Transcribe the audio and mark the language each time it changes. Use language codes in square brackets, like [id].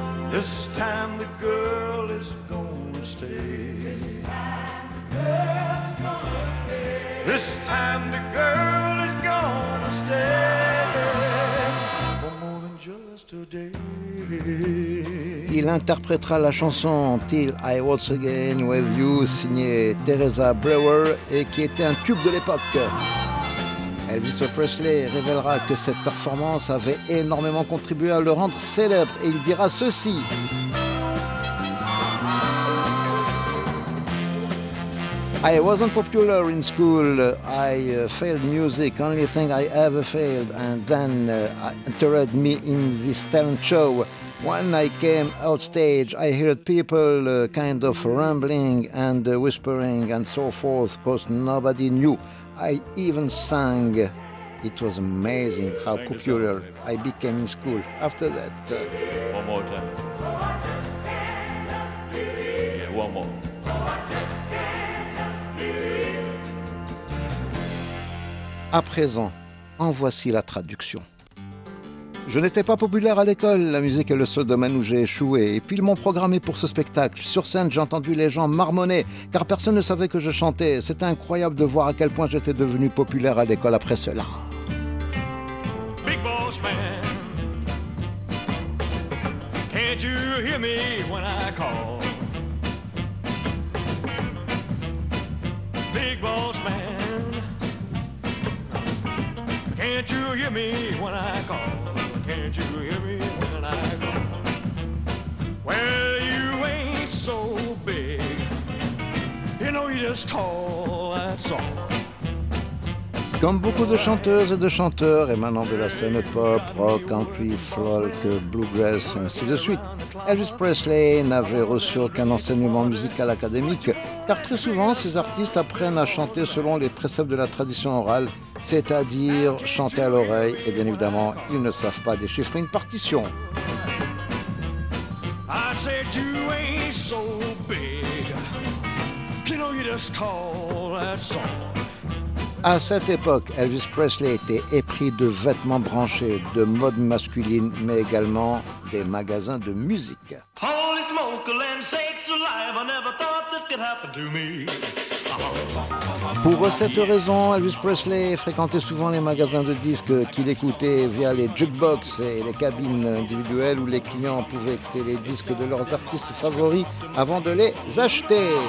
[en] This time the girl is gonna stay. This time the girl is gonna stay. This time the girl is gonna stay. For more than just a day. [fr] Il interprétera la chanson « Till I Waltz Again With You » signée Teresa Brewer et qui était un tube de l'époque. Elvis Presley révélera que cette performance avait énormément contribué à le rendre célèbre et il dira ceci. [en] I wasn't popular in school, I failed music, only thing I ever failed, and then entered me in this talent show. When I came out stage, I heard people kind of rambling and whispering and so forth, because nobody knew. I even sang. It was amazing how popular I became in school after that. One more time. Yeah, one more. [fr] À présent, en voici la traduction. Je n'étais pas populaire à l'école, la musique est le seul domaine où j'ai échoué. Et puis ils m'ont programmé pour ce spectacle. Sur scène, j'ai entendu les gens marmonner, car personne ne savait que je chantais. C'était incroyable de voir à quel point j'étais devenu populaire à l'école après cela. [en] Big boss man, can't you hear me when I call? Big boss man. Can't you hear me when I call? Can't you hear me when I call? Well, you ain't so big. You know you're just tall, that's all. [fr] Comme beaucoup de chanteuses et de chanteurs émanant de la scène pop, rock, country, folk, bluegrass et ainsi de suite, Elvis Presley n'avait reçu aucun enseignement musical académique, car très souvent, ces artistes apprennent à chanter selon les préceptes de la tradition orale, c'est-à-dire chanter à l'oreille, et bien évidemment, ils ne savent pas déchiffrer une partition. [en] I said you ain't so big, you know you're just tall, that's all. [fr] À cette époque, Elvis Presley était épris de vêtements branchés, de mode masculine, mais également des magasins de musique. [en] Holy smoke, land sakes alive, I never thought this could happen to me. [fr] Pour cette raison, Elvis Presley fréquentait souvent les magasins de disques qu'il écoutait via les jukebox et les cabines individuelles où les clients pouvaient écouter les disques de leurs artistes favoris avant de les acheter.